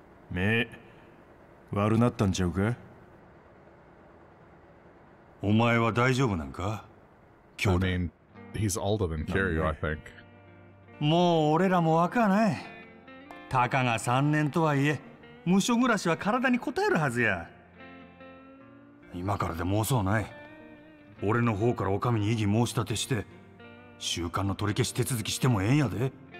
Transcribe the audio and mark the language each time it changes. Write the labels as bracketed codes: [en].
[ja] め、悪なったんちゃうか？お前は大丈夫なんか？ [en] I mean, he's older than Kiryu, I think. [ja] もう俺らも若ない。たかが3年とはいえ、無所暮らしは体に応えるはずや。今からでも遅うない。俺の方からお上に異議申し立てして、習慣の取り消し手続きしてもええんやで。